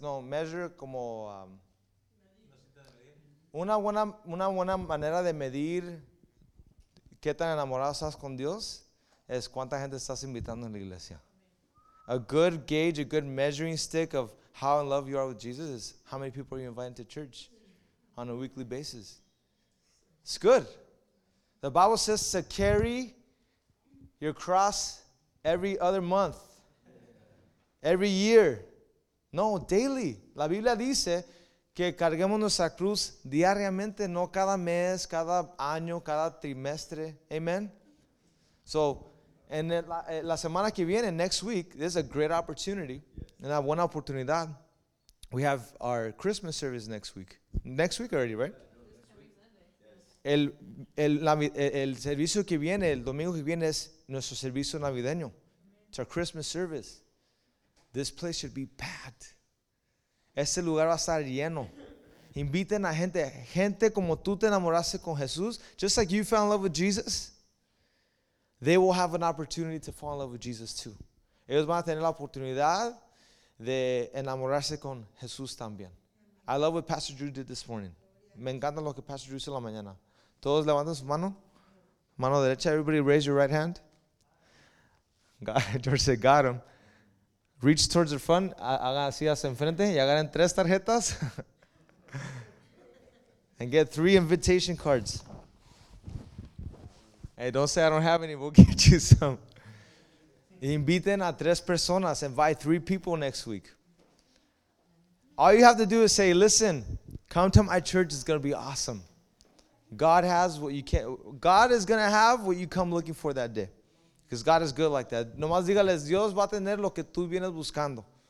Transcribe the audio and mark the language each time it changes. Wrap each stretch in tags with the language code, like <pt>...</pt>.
<es>No, measure como una buena manera de medir qué tan enamorado estás con Dios es cuánta gente estás invitando en la iglesia.</es> <en>A good gauge, a good measuring stick of how in love you are with Jesus is how many people are you inviting to church on a weekly basis. It's good. The Bible says to carry your cross every other month, every year. No, daily.</en> <es>La Biblia dice que carguemos nuestra cruz diariamente, no cada mes, cada año, cada trimestre.</es> <en>Amen. So,</en> <es>en la semana que viene,</es> <en>next week, this is a great opportunity.</en> <es>Una buena oportunidad.</es> <en>We have our Christmas service next week. Next week already, right?</en> <es>El servicio que viene, el domingo que viene, es nuestro servicio navideño.</es> <en>It's our Christmas service. This place should be packed.</en> <es>Este lugar va a estar lleno. Inviten a gente. Gente como tú te enamoraste con Jesús.</es> <en>Just like you fell in love with Jesus, they will have an opportunity to fall in love with Jesus too.</en> <es>Ellos van a tener la oportunidad de enamorarse con Jesús también.</es> <en>I love what Pastor Drew did this morning.</en> <es>Me encanta lo que Pastor Drew hizo la mañana. Todos levantan su mano. Mano derecha.</es> <en>Everybody raise your right hand. George said, got him. Reach towards the front.</en> <es>Hagan así hacia enfrente. Y agarren tres tarjetas.</es> <en>And get three invitation cards. Hey, don't say I don't have any. We'll get you some.</en> <es>Inviten a tres personas.</es> <en>Invite three people next week. All you have to do is say, listen, come to my church. It's going to be awesome. God has what you can't. God is going to have what you come looking for that day. Because God is good like that.</en> <es>Nomás dígales, Dios va a tener lo que tú vienes buscando.</es>